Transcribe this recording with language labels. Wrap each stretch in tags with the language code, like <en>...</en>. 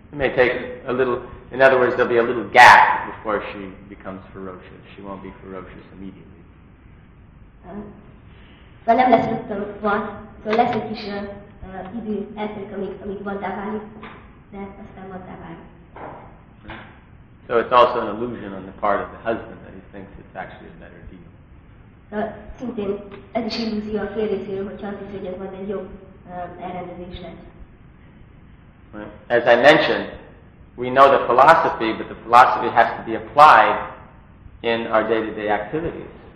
<en>It may take a little, in other words, there'll be a little gap before she becomes ferocious. She won't be ferocious immediately.</en> <hu>Nem lesz rögtön van, szóval lesz egy kis idő eltelik, amíg vaddá válik, de aztán vaddá válik.</hu> <en>So it's also an illusion on the part of the husband that he thinks it's actually a better deal.</en> <hu>Szintén ez is illúzió a fél részéről, hogy azt hiszi, hogy ez majd egy jobb elrendezés lesz.</hu> <en>As I mentioned, we know the philosophy, but the philosophy has to be applied in our day-to-day activities.</en>